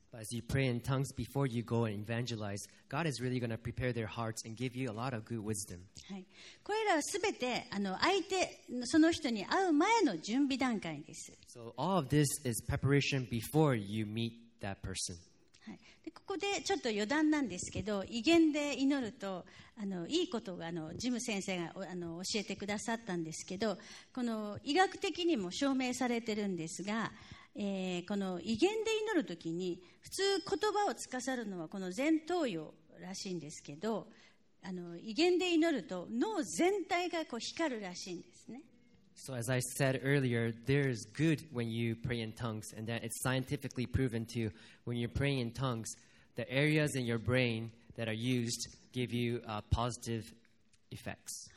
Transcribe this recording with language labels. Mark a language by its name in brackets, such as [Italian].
[English] But as you pray in tongues before you go and evangelize, God is really going to prepare their hearts and give you a lot of good wisdom. [Japanese] はい。これらはすべて、相手、その人に会う前の準備段階です。 [English] So all of this is preparation before you meet that person. [Japanese] はい。で、ここでちょっと余談なんですけど、異言で祈ると、いいことが、ジム先生が、教えてくださったんですけど、この医学的にも証明されてるんですが、この威厳で祈るときに普通言葉をつかさるのはこの前頭葉らしいんですけど、威厳で祈ると脳全体がこう光るらしいんですね。 [English] So as I said earlier, there is good when you pray in tongues, and that it's scientifically proven to when you're praying in tongues, the areas in your brain that are used give you positive effects.